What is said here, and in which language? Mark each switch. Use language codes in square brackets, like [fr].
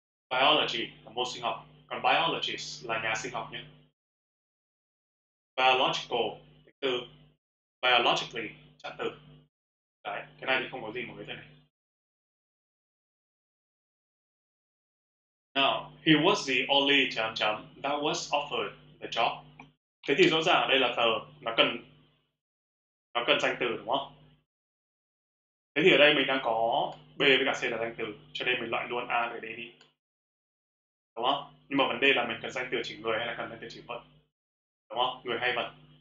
[vi] Biology là môn sinh học, còn biologist là nhà sinh học nhé. Biological từ, biologically trạng từ. Đấy, cái này thì không có gì mới thế này. [en] Now, he was the only [vi] chấm chấm [en] that was offered the job. [vi] Thế thì rõ ràng ở đây là từ nó cần danh từ đúng không? Thế thì ở đây mình đang có B với cả C là danh từ, cho nên mình loại luôn A về đây đi. Đúng không? Nhưng mà vấn đề là mình cần danh từ chỉ người hay là cần danh từ chỉ vật. Đúng không? Người hay vật.